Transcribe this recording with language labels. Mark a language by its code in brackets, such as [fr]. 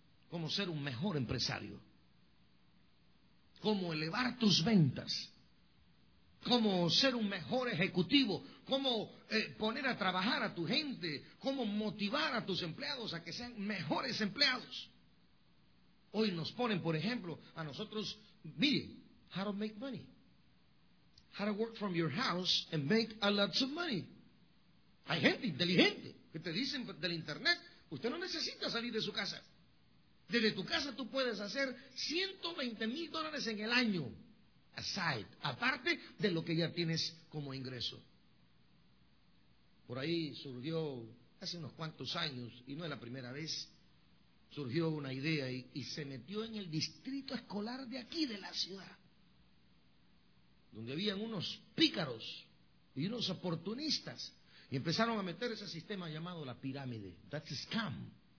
[es] cómo ser un mejor empresario, cómo elevar tus ventas, cómo ser un mejor ejecutivo, cómo poner a trabajar a tu gente, cómo motivar a tus empleados a que sean mejores empleados. Hoy nos ponen, por ejemplo, a nosotros, mire, [en] how to make money. How to work from your house and make a lot of money. [es] Hay gente inteligente que te dicen del internet, usted no necesita salir de su casa. Desde tu casa tú puedes hacer $120,000 en el año, [en] aside, [es] aparte de lo que ya tienes como ingreso. Por ahí surgió hace unos cuantos años, y no es la primera vez, surgió una idea y se metió en el distrito escolar de aquí, de la ciudad, donde habían unos pícaros y unos oportunistas, y empezaron a meter ese sistema llamado la pirámide. [en] That's a scam.